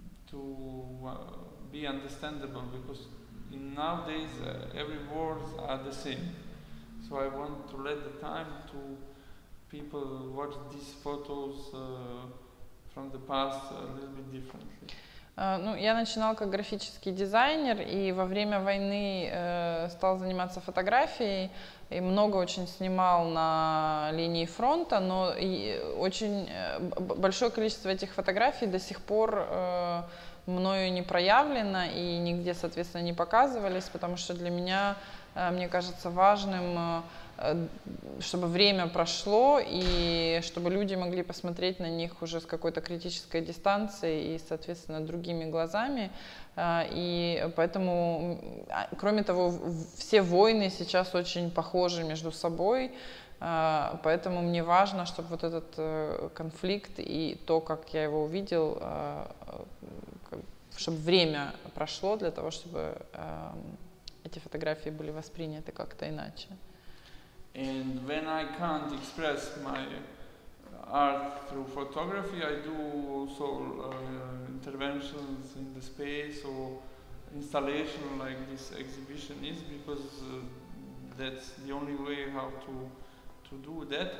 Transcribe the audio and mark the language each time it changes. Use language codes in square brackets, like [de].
[en] to be understandable, because in nowadays every words are the same, so I want to let the time to people watch these photos from the past a little bit differently. [ru] Ну, я начинал как графический дизайнер и во время войны стал заниматься фотографией и много очень снимал на линии фронта, но и очень большое количество этих фотографий до сих пор мною не проявлено и нигде, соответственно, не показывались, потому что для меня, мне кажется, важным, чтобы время прошло и чтобы люди могли посмотреть на них уже с какой-то критической дистанцией и, соответственно, другими глазами. И поэтому, кроме того, все войны сейчас очень похожи между собой, поэтому мне важно, чтобы вот этот конфликт и то, как я его увидел, чтобы время прошло для того, чтобы эти фотографии были восприняты как-то иначе. [en] And when I can't express my art through photography, I do also interventions in the space or installation like this exhibition is, because that's the only way how to do that.